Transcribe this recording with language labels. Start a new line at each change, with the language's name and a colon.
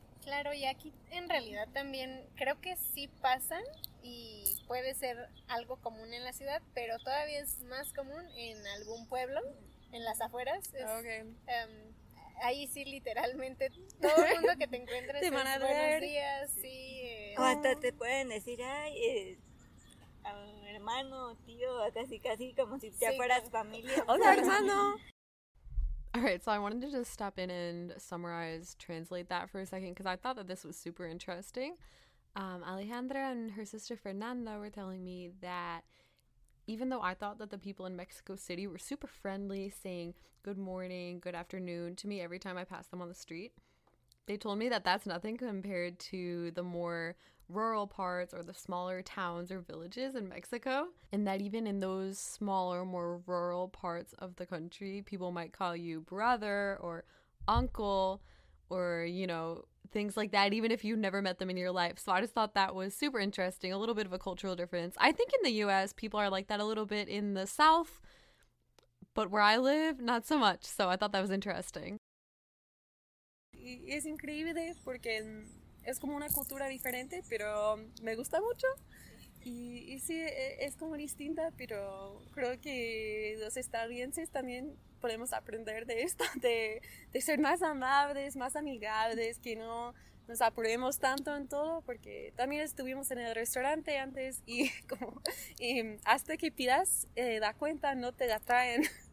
Spanish: Claro, y aquí en realidad también creo que sí pasan y puede ser algo común en la ciudad, pero todavía es más común en algún pueblo, en las afueras. Es, okay. Ahí sí, literalmente, todo el mundo que te encuentres te van a ver. Buenos días, sí. O hasta te pueden decir, ay, a mi hermano, tío, casi, casi como si ya fueras familia. Hola, hermano.
English: Alright, so I wanted to just step in and summarize, translate that for a second, because I thought that this was super interesting. Alejandra and her sister Fernanda were telling me that even though I thought that the people in Mexico City were super friendly, saying good morning, good afternoon to me every time I passed them on the street, they told me that that's nothing compared to the more rural parts or the smaller towns or villages in Mexico, and that even in those smaller, more rural parts of the country, people might call you brother or uncle or, you know, things like that, even if you've never met them in your life. So I just thought that was super interesting, a little bit of a cultural difference. I think in the US people are like that a little bit in the South, but where I live, not so much. So I thought that was interesting.
Spanish: Es increíble porque es como una cultura diferente, pero me gusta mucho. Y sí, es como distinta, pero creo que los estadounidenses también podemos aprender de esto, de ser más amables, más amigables, que no nos apuremos tanto en todo, porque también estuvimos en el restaurante antes y como y hasta que pidas la cuenta, no te la traen.